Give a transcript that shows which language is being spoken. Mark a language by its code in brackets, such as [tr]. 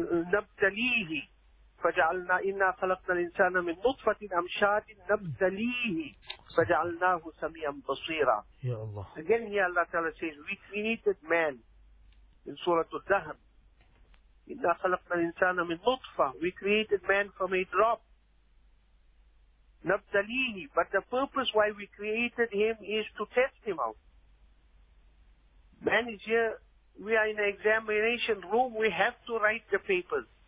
[ar] نبتليه فجعلنا إنا خلقنا الإنسان من نطفة أمشاج نبتليه فجعلناه سميعا بصيرا. [en] Again here Allah Ta'ala says, we created man in Surah Al-Dahr. [ar] إنا خلقنا الإنسان من نطفة. [en] We created man from a drop. [ar] نبتليه. [en] But the purpose why we created him is to test him out. Man is here. We are in an examination room. We have to write the papers.